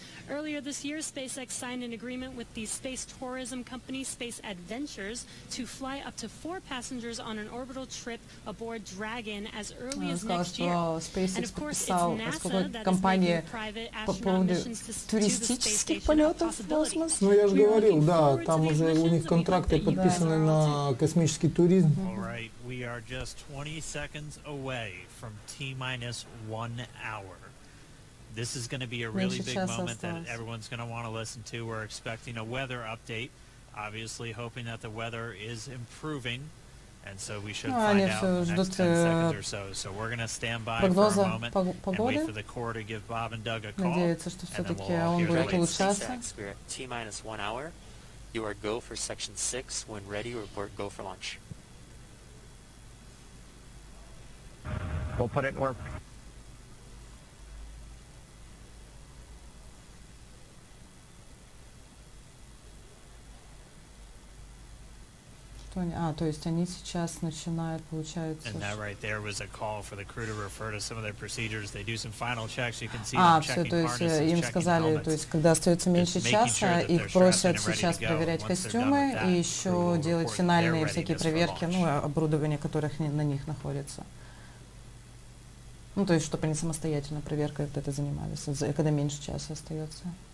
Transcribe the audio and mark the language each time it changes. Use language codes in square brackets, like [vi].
[en] Earlier this year, SpaceX signed an agreement with the space tourism company Space Adventures to fly up to 4 passengers on an orbital trip aboard Dragon as early as next year. And of course, it's NASA that is making private astronaut missions to the space station a possibility. [ru] Ну, я же говорил, да, там уже у них контракты подписаны на космический туризм. [en] All right, we are just 20 seconds away from T-minus 1 hour. This is going to be a really big moment that everyone's going to want to listen to. We're expecting a weather update, obviously hoping that the weather is improving, and so we should find out in the next 10 seconds or so. So we're going to stand by for a moment and wait for the core to give Bob and Doug a call, and then we'll all hear the latest. We're at T-minus 1 hour. You are go for section 6. When ready, report go for launch. We'll put it in warp. [ru] А, то есть они сейчас начинают, получается... [en] And that right there was a call for the crew to refer to some of their procedures. They do some final checks. You can see them checking harnesses, checking helmets. [ru] Им сказали, то есть когда остается меньше часа, их просят сейчас проверять костюмы и еще делать финальные всякие проверки, ну, оборудование, которых на них находится. Ну, то есть, чтобы они самостоятельно проверкой вот это занимались, когда меньше часа остается.